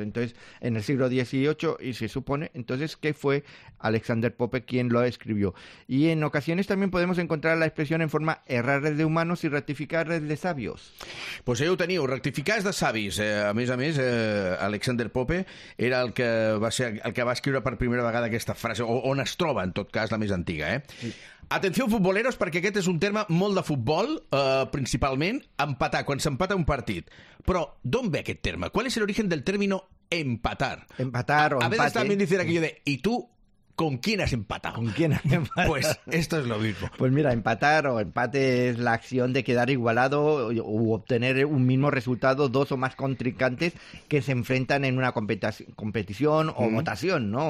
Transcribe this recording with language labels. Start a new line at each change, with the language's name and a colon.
Spanish: Entonces, en el siglo XVIII, y se supone, entonces, que fue Alexander Pope quien lo escribió. Y en ocasiones también podemos encontrar la expresión en forma errar es de humanos y rectificar es de sabios. Pues yo tenía rectificar es de sabios.
Catalan: A més, Alexander Pope era el que va ser el que va escriure per primera vegada aquesta frase, o on es troba, en tot cas, la més antiga, eh? Sí. Atenció, futboleros, perquè aquest és un terme molt de futbol, principalment empatar, quan s'empata un partit. Però d'on ve aquest terme?
Spanish: ¿Cuál es el origen del término empatar? Empatar o empate. A veces también dicen aquello de, ¿y tú ¿Con quién has empatado? ¿Con quién has empatado? Pues esto es lo mismo. Pues mira, empatar o empate es la acción de quedar igualado u obtener un mismo resultado dos o más contrincantes que se enfrentan en una competición o votación, ¿no?